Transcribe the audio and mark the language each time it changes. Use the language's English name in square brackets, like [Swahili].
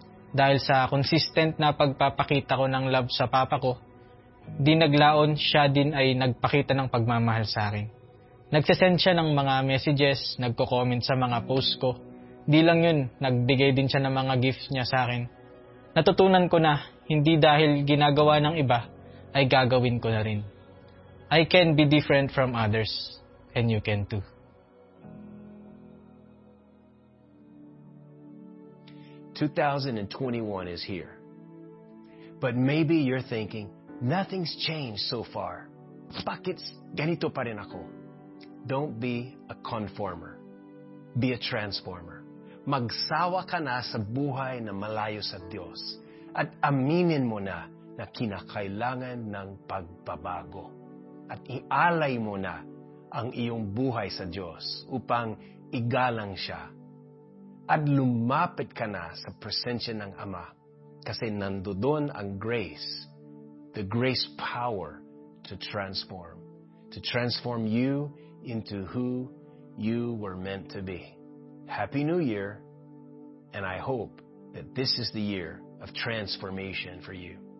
[Filipino] Dahil sa consistent na pagpapakita ko ng love sa papa ko, di naglaon siya din ay nagpakita ng pagmamahal sa akin. Nagsesend siya ng mga messages, nagko-comment sa mga posts ko. Di lang yun, nagbigay din siya ng mga gifts niya sa akin. Natutunan ko na hindi dahil ginagawa ng iba ay gagawin ko na rin. [English] I can be different from others and you can too. ...2021 is here. But maybe you're thinking, nothing's changed so far. [Filipino] Bakit ganito pa rin ako? [English] Don't be a conformer. Be a transformer. [Filipino] Magsawa ka na sa buhay na malayo sa Diyos. At aminin mo na na kinakailangan ng pagbabago. At ialay mo na ang iyong buhay sa Diyos upang igalang siya. At lumapit ka na sa presensya ng Ama kasi nandoon ang grace, [English] the grace power to transform you into who you were meant to be. Happy New Year, and I hope that this is the year of transformation for you.